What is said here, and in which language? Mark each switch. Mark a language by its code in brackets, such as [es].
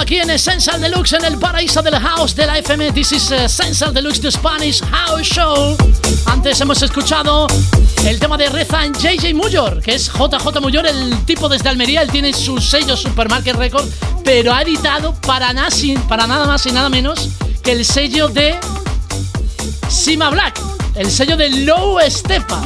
[es] Essential Deluxe en el paraíso del house de la FM. [en] This is Essential Deluxe, the Spanish House Show. [es] Antes hemos escuchado el tema de Rezan JJ Mullor, que es JJ Mullor, el tipo desde Almería. Él tiene su sello Supermarket Record, pero ha editado para nada más y nada menos que el sello de Sima Black, el sello de Low Estepa.